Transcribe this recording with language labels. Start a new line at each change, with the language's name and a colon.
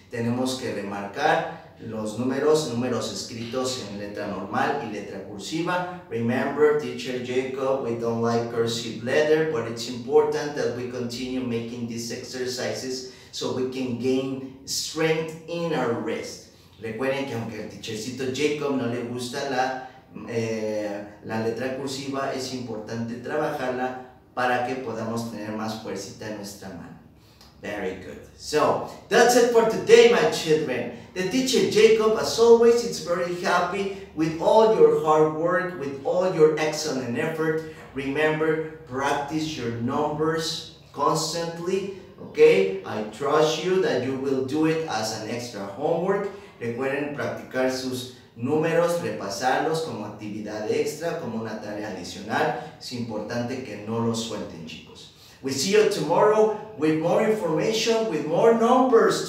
Spanish: Tenemos que remarcar los números escritos en letra normal y letra cursiva.
English: Remember, teacher Jacob, we don't like cursive letter, but it's important that we continue making these exercises so we can gain strength in our wrist.
Spanish: Recuerden que aunque al teachercito Jacob no le gusta la letra cursiva, es importante trabajarla para que podamos tener más fuercita en nuestra mano.
English: Very good. So, that's it for today, my children. The teacher Jacob, as always, is very happy with all your hard work, with all your excellent effort. Remember, practice your numbers constantly. Okay, I trust you that you will do it as an extra homework.
Spanish: Recuerden practicar sus números, repasarlos como actividad extra, como una tarea adicional. Es importante que no los suelten, chicos.
English: We see you tomorrow with more information, with more numbers.